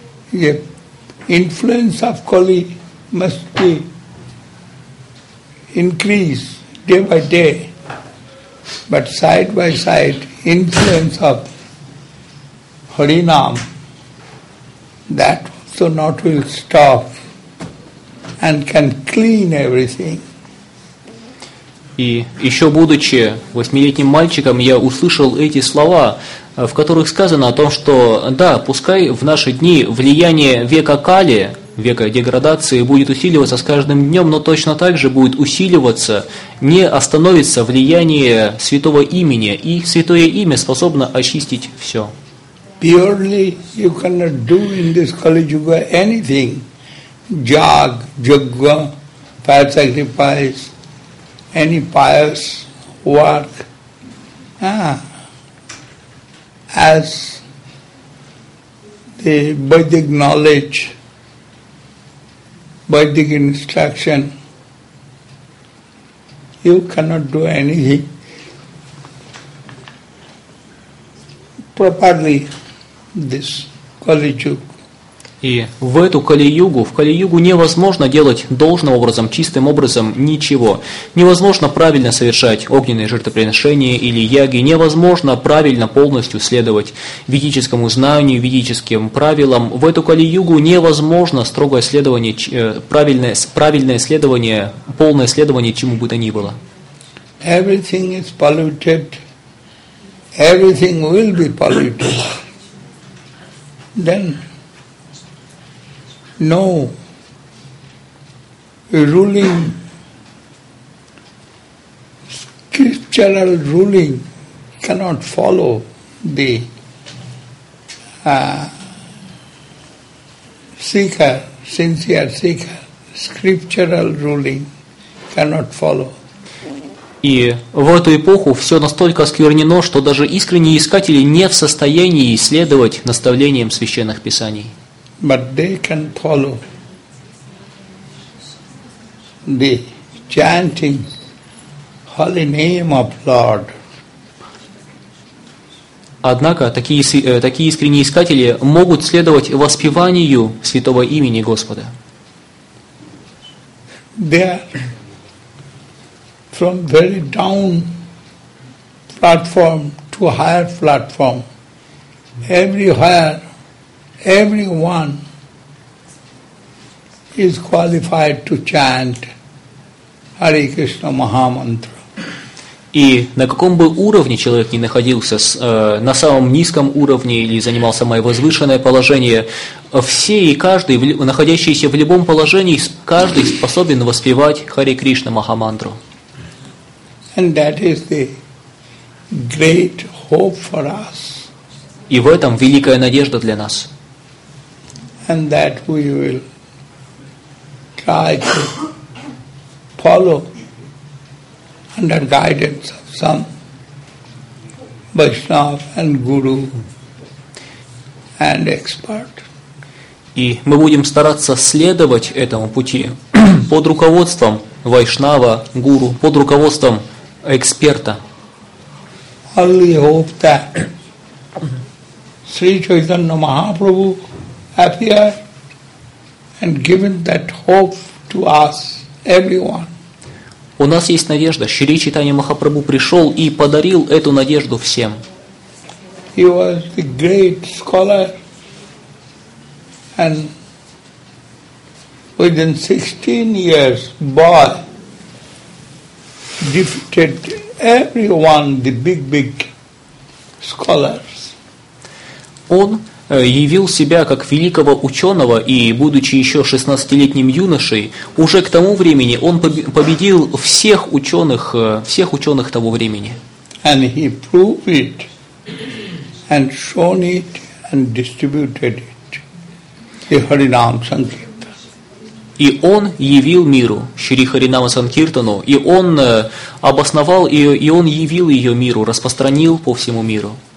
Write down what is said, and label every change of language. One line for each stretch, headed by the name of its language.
English: The influence of Kali must be increased day by day, but side by side influence of Harinam, that also not will stop and can clean everything.
Russian: И еще будучи 8-летним мальчиком, я услышал эти слова, в которых сказано о том, что да, пускай в наши дни влияние века Кали, века деградации, будет усиливаться с каждым днем, но точно так же будет усиливаться, не остановится влияние святого имени, и святое имя способно очистить все.
English: Purely you cannot do in this Kali Yuga anything. Jag, yoga, fire sacrifice, any pious work. As the Vedic knowledge, Vedic instruction, you cannot do anything properly. This Kali Yuga.
Russian: И в эту Кали-югу, в Кали-югу невозможно делать должным образом, чистым образом ничего. Невозможно правильно совершать огненные жертвоприношения или яги, невозможно правильно полностью следовать ведическому знанию, ведическим правилам. В эту Кали-югу невозможно строгое следование, правильное следование, полное следование чему бы то ни было.
English: Everything is polluted. Everything will be polluted. Then no ruling, scriptural ruling cannot follow the seeker, sincere seeker, scriptural ruling cannot follow.
Russian: И в эту эпоху все настолько осквернено, что даже искренние искатели не в состоянии следовать наставлениям священных писаний.
English: But they can follow the chanting holy name of Lord.
Russian: Однако такие искренние искатели могут следовать воспеванию святого имени Господа.
English: They are from very down platform to higher platform, everywhere. Everyone is qualified to chant Hare Krishna Mahamantra.
Russian: И на каком бы уровне человек ни находился, на самом низком уровне или занимал самое возвышенное положение, все и каждый, находящийся в любом положении, каждый способен воспевать Hare Krishna Mahamantra.
English: And that is the great hope for us.
Russian: И в этом великая надежда для нас.
English: And that we will try to follow under guidance of some Vaishnav and Guru and expert.
Russian: И мы будем стараться следовать этому пути под руководством Вайшнава, Гуру, под руководством эксперта.
English: Only hope that Sri Chaitanya Mahaprabhu appear and given that hope to us, everyone.
Russian: У нас есть надежда. Шри Чайтанья Махапрабху пришел и подарил эту надежду всем.
English: He was a great scholar, and within 16 years, boy defeated everyone, the big scholars.
Russian: Он явил себя как великого ученого, и, будучи еще 16-летним юношей, уже к тому времени он победил всех ученых того времени.
English: And he proved it, and shown it, and distributed it. The Harinam Sankirtan.
Russian: И он явил миру Шри Харинама Санкиртану, и он обосновал ее, и он явил ее миру, распространил по всему миру.